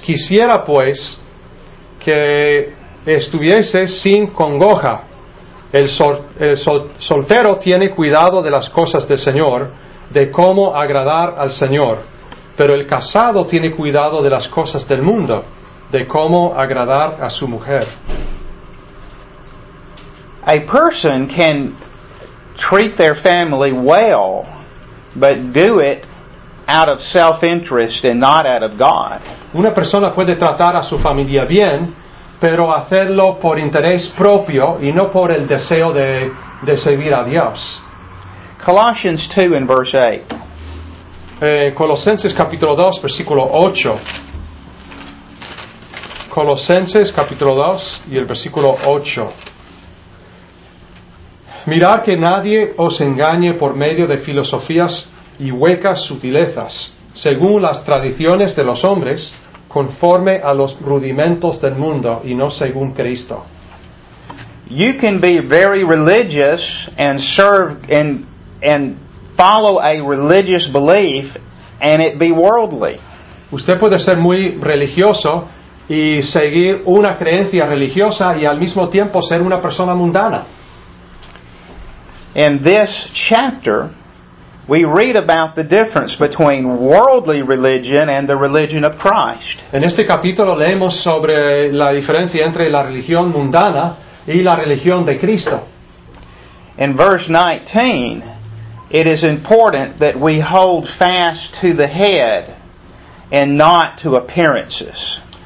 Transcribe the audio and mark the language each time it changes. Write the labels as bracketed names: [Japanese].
[Spanish] Quisiera pues que estuviese sin congoja. El soltero tiene cuidado de las cosas del Señor, de cómo agradar al Señor. Pero el casado tiene cuidado de las cosas del mundo, de cómo agradar a su mujer. [English] A person can treat their family well, but do it out of self-interest and not out of God. [Spanish] Una persona puede tratar a su familia bien, pero hacerlo por interés propio y no por el deseo de servir a Dios. [English] Colossians 2 and verse 8. [Spanish] Colosenses capítulo 2, versículo 8. Colosenses capítulo 2 y el versículo 8. Mirad que nadie os engañe por medio de filosofías y huecas sutilezas, según las tradiciones de los hombres, conforme a los rudimentos del mundo y no según Cristo. [English] You can be very religious and serve and follow a religious belief and it be worldly. [Spanish] Usted puede ser muy religioso y seguir una creencia religiosa y al mismo tiempo ser una persona mundana. [English] In this chapter, we read about the difference between worldly religion and the religion of Christ. [Spanish] En este capítulo leemos sobre la diferencia entre la religión mundana y la religión de Cristo. [English] In verse 19, it is important that we hold fast to the head and not to appearances.